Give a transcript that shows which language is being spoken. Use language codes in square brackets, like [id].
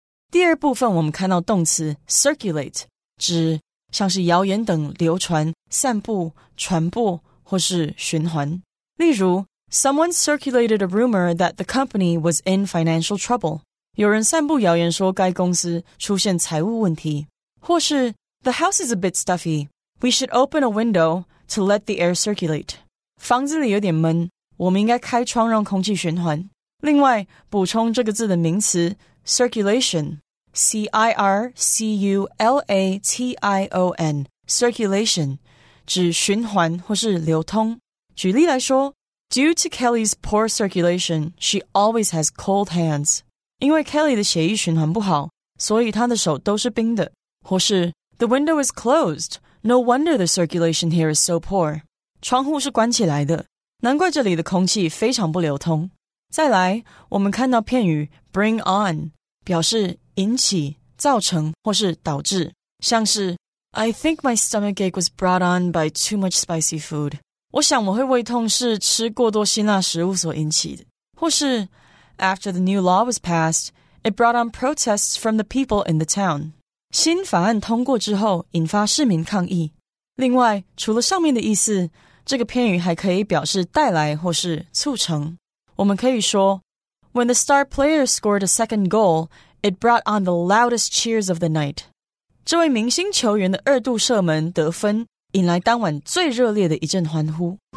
[zh] 第二部分我们看到动词 circulate, 指像是谣言等流传、散布、传播或是循环。例如 [en] ,someone circulated a rumor that the company was in financial trouble. [zh] 有人散布谣言说该公司出现财务问题。或是 [en] The house is a bit stuffy. We should open a window to let the air circulate. [zh] 房子里有点闷，我们应该开窗让空气循环。另外，补充这个字的名词 circulation, C-I-R-C-U-L-A-T-I-O-N, circulation, 指循环或是流通。举例来说 [en] ,due to Kelly's poor circulation, she always has cold hands. [zh] 因为 Kelly 的血液循环不好，所以她的手都是冰的。或是 [en] The window is closed. No wonder the circulation here is so poor. [zh] 窗户是关起来的，难怪这里的空气非常不流通。再来，我们看到片语 bring on, 表示引起、造成或是导致。像是 [en] I think my stomach ache was brought on by too much spicy food. [zh] 我想我会胃痛是吃过多辛辣食物所引起的。或是 [en] After the new law was passed, it brought on protests from the people in the town. [zh] 新法案通过之后引发市民抗议。另外，除了上面的意思，这个片语还可以表示带来或是促成。我们可以说 [en] When the star player scored a second goal, it brought on the loudest cheers of the night. [zh] 这位明星球员的二度射门得分引来当晚最热烈的一阵欢呼。